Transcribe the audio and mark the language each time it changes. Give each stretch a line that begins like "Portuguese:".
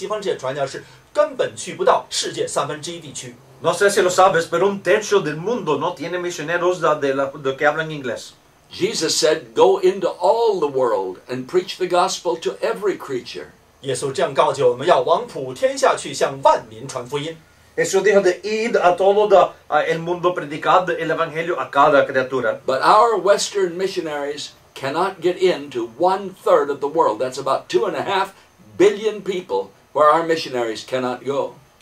Chinese: 不知道你有没有注意到，我是最近才发现，就是在三分之一世界上的地区，西方世界，美国、英国，而且欧洲还有澳大利亚等等，那么西方这些传教士根本去不到世界三分之一地区。
Spanish: No sé si lo sabes, pero un tercio del mundo no tiene misioneros de que hablan inglés.
English: Jesus said, go into all the world and preach the gospel to every creature.
Chinese: 耶稣这样告诫我们要往普天下去向万民传福音。
Spanish: Jesús dijo de ir a todo el mundo predicar el evangelio a cada criatura.
English: But our Western missionaries cannot get into 1/3 of the world. That's about 2.5 billion people where our missionaries cannot go.